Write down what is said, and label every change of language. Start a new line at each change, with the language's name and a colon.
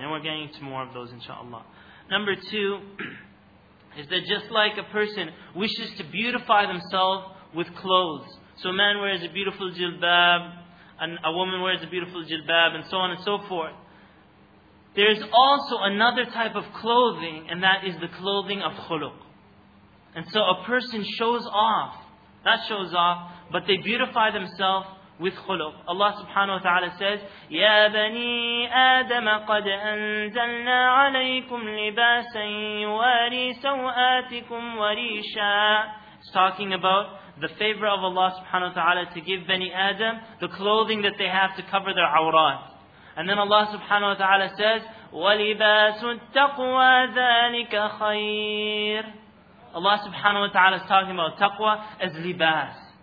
English: And we're getting into more of those, inshaAllah. Number two, is that just like a person wishes to beautify themselves with clothes, so a man wears a beautiful jilbab, and a woman wears a beautiful jilbab, and so on and so forth. There's also another type of clothing, and that is the clothing of khuluq. And so a person shows off, not shows off, but they beautify themselves with khuluq. Allah subhanahu wa ta'ala says,
Arabic: يَا بَنِي آدَمَ قَدْ أَنزَلْنَا عَلَيْكُمْ لِبَاسًا يُوَارِي سَوْآتِكُمْ وَرِيشًا.
English: It's talking about the favor of Allah subhanahu wa ta'ala to give Bani Adam the clothing that they have to cover their awrat. And then Allah subhanahu wa ta'ala says,
Arabic: وَلِبَاسُ التَّقْوَى ذَلِكَ خَيْرٌ.
English: Allah subhanahu wa ta'ala is talking about taqwa as libas.